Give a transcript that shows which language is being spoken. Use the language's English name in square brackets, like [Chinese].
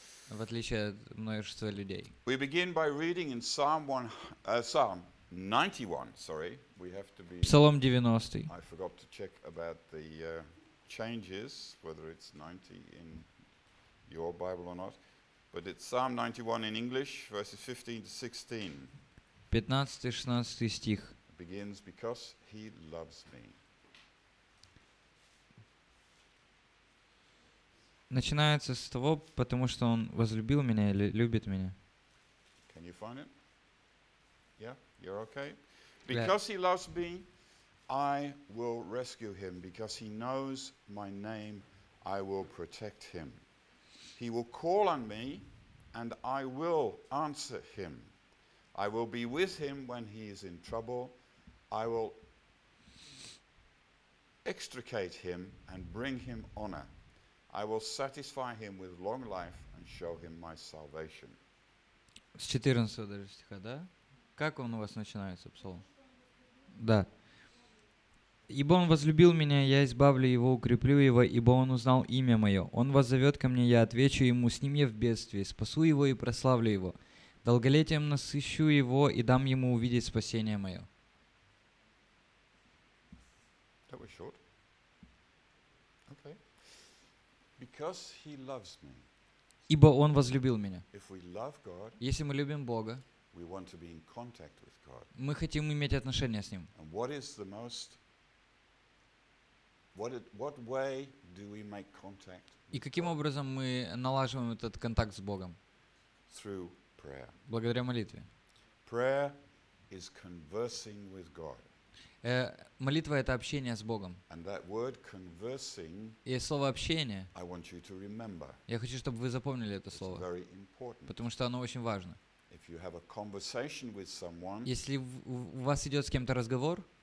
[Russian] В отличие от множества людей. [English] We begin by reading in Psalm 91. Sorry, we have to be. [Russian] Псалом 90. [English] I forgot to check about the changes, whether it's 90 in your Bible or not. But it's Psalm 91 in English, verses 15-16. [Russian] 15-16 стих. [English] Begins because he loves me. [Russian] Начинается с того, потому что он возлюбил меня или любит меня. [English] Can you find it? Yeah, you're okay. Because he loves me, I will rescue him. Because he knows my name, I will protect him. He will call on me. And I will answer him. I will be with him when he is in trouble. I will extricate him and bring him honor. I will satisfy him with long life and show him my salvation. [Russian] С 14 стиха, да? Как он у вас начинается, Псалом? Да. Ибо он возлюбил меня, я избавлю его, укреплю его, ибо он узнал имя мое. Он воззовет ко мне, я отвечу ему, с ним я в бедствии, спасу его и прославлю его. Долголетием насыщу его и дам ему увидеть спасение мое. [English] That was short. Okay. Because he loves me. [Russian] Ибо он возлюбил меня. [English] If we love God, [Russian] если мы любим Бога, [English] we want to be in contact with God. [Russian] Мы хотим иметь отношения с ним. [English] And what is the most What way do we make contact? [Russian] И каким образом мы налаживаем этот контакт с Богом? [English] Through prayer. [Russian] Благодаря молитве. [English] Prayer is conversing with God. [Russian] Молитва — это общение с Богом. [English] And that word conversing. [Russian] И слово общение. [English] I want you to remember. [Russian] Я хочу, чтобы вы запомнили это слово. [English] It's very important. [Russian] Потому что оно очень важно. [English] If you have a conversation with someone. [Russian] Если у вас идет с кем-то разговор.